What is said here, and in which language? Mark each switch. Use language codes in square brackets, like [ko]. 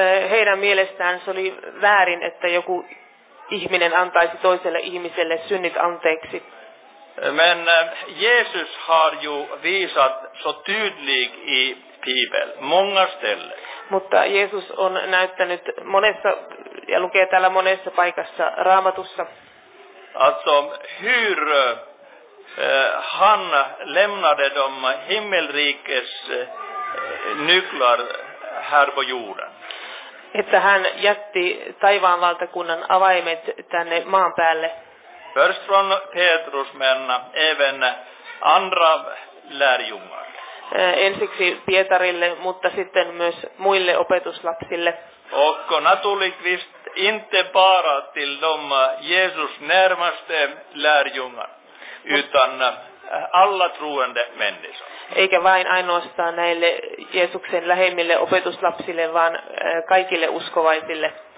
[fi] Heidän mielestään se oli väärin, että joku ihminen antaisi toiselle ihmiselle synnit anteeksi. [sv] Men Jesus har ju visat så tydlig i Bibel, många ställen. [fi] Mutta Jeesus on näyttänyt monessa, ja lukee täällä monessa paikassa Raamatussa. [sv] Alltså, hur han lämnade de himmelrikes nycklar här på jorden. [fi] Että hän jätti taivaan valtakunnan avaimet tänne maan päälle. [sv] Först från Petrus, men även andra lärjungar. [fi] Ensiksi Pietarille, mutta sitten myös muille opetuslapsille. [sv] Och naturligtvis inte bara till de Jesus närmaste lärjungar, utan alla troende människor. [fi] Eikä vain ainoastaan näille Jeesuksen lähemmille opetuslapsille, vaan kaikille uskovaisille.